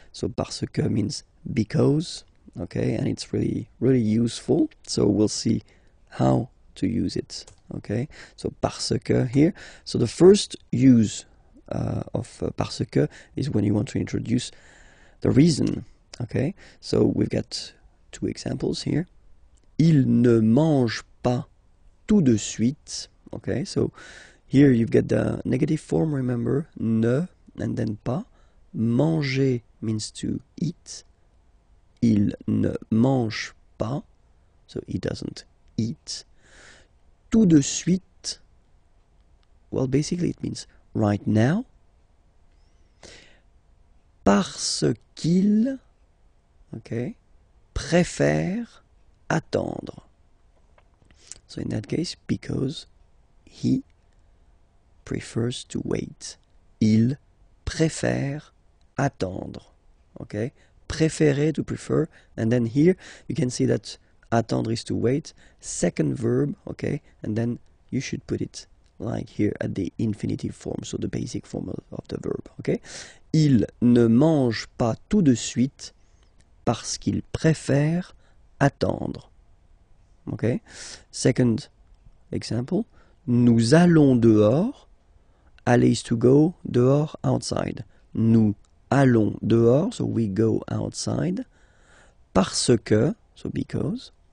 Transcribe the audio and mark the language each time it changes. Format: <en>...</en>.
<en>So parce que means because, okay, and it's really, really useful. So we'll see how to use it, okay? So parce que here. So the first use of parce que is when you want to introduce the reason, okay? So we've got two examples here.</en> <fr>Il ne mange pas tout de suite, okay?</fr> <en>So here you've got the negative form, remember, ne, and then pas. Manger means to eat.</en> <fr>Il ne mange pas,</fr> <en>so he doesn't eat. Tout de suite, well, basically it means right now.</en> <fr>Parce qu'il, okay, préfère attendre.</fr> <en>So in that case, because he prefers to wait.</en> <fr>Il préfère attendre, okay?</fr> <en>Préférer, to prefer, and then here you can see that attendre is to wait, second verb, okay, and then you should put it like here at the infinitive form, so the basic form of the verb, okay?</en> <fr>Il ne mange pas tout de suite parce qu'il préfère attendre, okay?</fr> <en>Second example,</en> <fr>nous allons dehors,</fr> <en>aller is to go, dehors, outside, nous allons dehors, so we go outside, parce que, so because,</en>